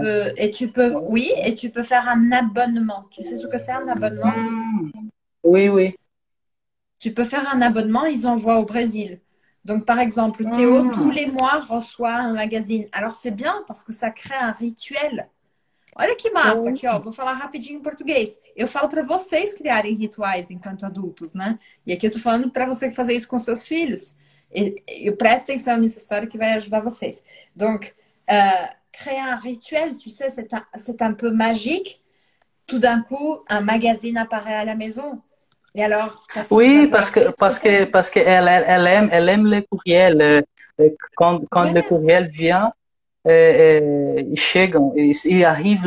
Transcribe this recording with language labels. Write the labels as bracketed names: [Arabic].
[French] peux. Et tu peux. Oui. Oui, et tu peux faire un abonnement. Tu sais ce que c'est un abonnement? Oui. Tu peux faire un abonnement, ils envoient au Brésil. Donc, par exemple, Théo, tous les mois, reçoit un magazine. Alors, c'est bien parce que ça crée un rituel. [Portuguese] Olha que massa aqui, ó. Vou falar rapidinho em português. Eu falo para vocês criarem rituais enquanto adultos, né? E aqui eu tô falando para você fazer isso com seus filhos. E preste atenção nessa história que vai ajudar vocês. [French] Donc, créer un rituel, tu sais, c'est un peu magique. Tout d'un coup, un magazine apparaît à la maison. Et alors, ta fille va Oui, voir, qu'est-ce que c'est ce. parce que elle aime les courriels. Quand le Génial. courriel vient, il arrive